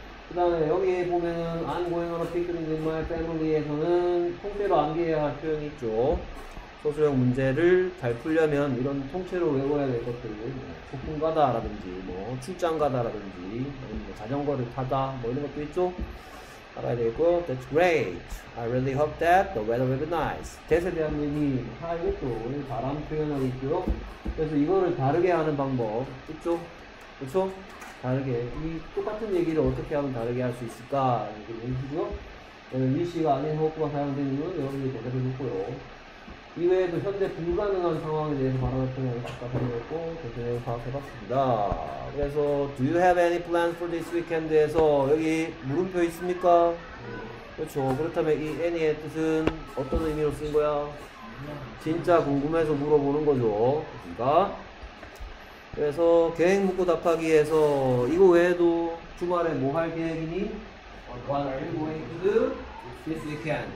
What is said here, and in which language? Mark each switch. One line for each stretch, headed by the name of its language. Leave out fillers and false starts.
Korean: 그 다음에 여기에 보면은
English: I'm going on a picnic with my family
Korean: 에서는 통째로 암기해야 할 표현이 있죠. 소수형 문제를 잘 풀려면 이런 통째로 외워야 될 것들을 소풍 가다라든지 뭐 출장 가다라든지 뭐 자전거를 타다 뭐 이런 것도 있죠 알아야 되고
English: That's great. I really hope that the weather will be nice.
Korean: That에 대한 의미 하이웨이도 오늘 바람 표현하고 있고요. 그래서 이거를 다르게 하는 방법 있죠. 그렇죠? 다르게 이 똑같은 얘기를 어떻게 하면 다르게 할 수 있을까 이렇게 얘기하고요. 위시가 아닌 호흡과 사용된 이유는 여러분이 대답해 놓고요. 이외에도 현재 불가능한 상황에 대해서 바람을 표현하고 싶었고 그렇게 내용 파악해봤습니다.
English: 그래서 Do you have any plans for this weekend?
Korean: 에서 여기 물음표 있습니까? 그렇죠. 그렇다면 이 any의 뜻은 어떤 의미로 쓴 거야? 진짜 궁금해서 물어보는 거죠. 그러니까 그래서 계획 묻고 답하기에서 이거 외에도 주말에 뭐 할 계획이니?
English: What are you going to do this weekend?